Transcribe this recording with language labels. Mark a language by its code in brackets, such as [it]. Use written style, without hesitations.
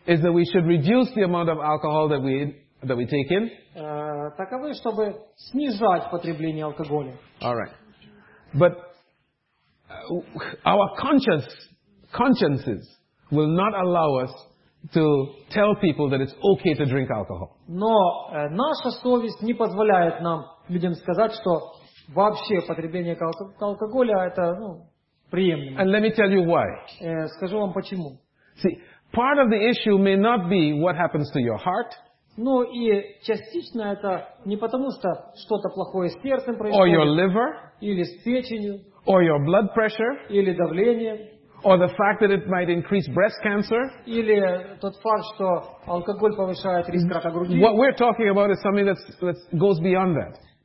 [en] is that we should reduce the amount of alcohol that we take in. [ru] Таковы, чтобы снижать потребление алкоголя. [en] All right. But our consciences will not allow us to tell people that it's okay to drink alcohol. [ru] Но наша совесть не позволяет нам, людям, сказать, что вообще потребление алкоголя это, ну, приемлемо. [en] And let me tell you why. [ru] Скажу вам почему. [en] See, part of the issue may not be what happens to your heart. [ru] Ну и частично это не потому, что что-то плохое с сердцем происходит. [en] Or your liver. [ru] Или с печенью. [en] Or your blood pressure. [ru] Или давление. [en] Or the fact that it might increase breast cancer. [ru] Или тот факт, что алкоголь повышает риск рака груди. [en] What we're talking about is something that goes beyond that.